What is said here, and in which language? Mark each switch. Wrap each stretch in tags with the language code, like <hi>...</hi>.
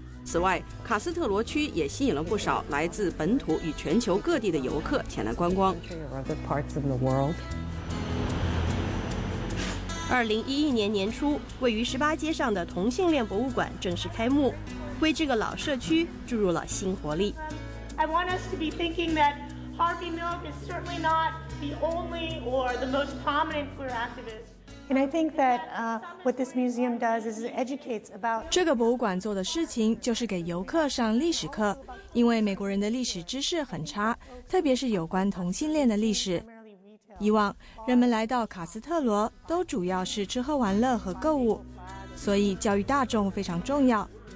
<zh>此外，卡斯特罗区也吸引了不少来自本土与全球各地的游客前来观光。 2011年年初，位于十八街上的同性恋博物馆正式开幕，为这个老社区注入了新活力。</zh> <en>I want us to be thinking that Harvey Milk is certainly not the only or the most prominent queer activist. And I think that what this museum does is it educates about</en> <zh>这个博物馆做的事情就是给游客上历史课，因为美国人的历史知识很差，特别是有关同性恋的历史。以往人们来到卡斯特罗都主要是吃喝玩乐和购物，所以教育大众非常重要。</zh>